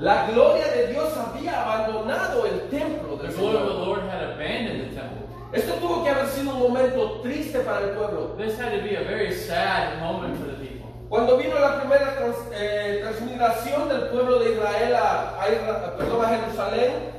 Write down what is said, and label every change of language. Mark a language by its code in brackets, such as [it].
[es] La gloria de Dios había abandonado el templo. [en] The glory of the Lord had abandoned the temple. [es] Esto tuvo que haber sido un momento triste para el pueblo. [en] This had to be a very sad moment for the people. [es] Cuando vino la primera transmigración del pueblo de Israel a Jerusalén,